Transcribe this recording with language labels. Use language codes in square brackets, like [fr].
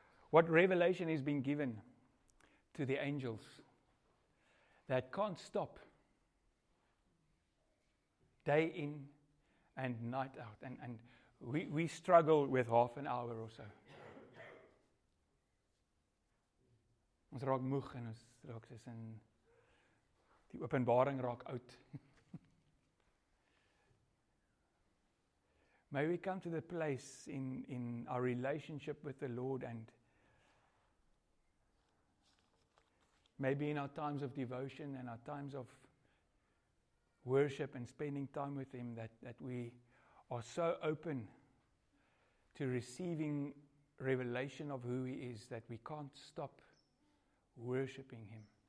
[en] What revelation is being given to the angels that can't stop day in and night out, and we struggle with half an hour or so. [af] Ons raak moeg en ons raak soos in die openbaring raak oud. [en] May we come to the place in our relationship with the Lord, and maybe in our times of devotion and our times of worship and spending time with him, that we are so open to receiving revelation of who he is that we can't stop worshiping him.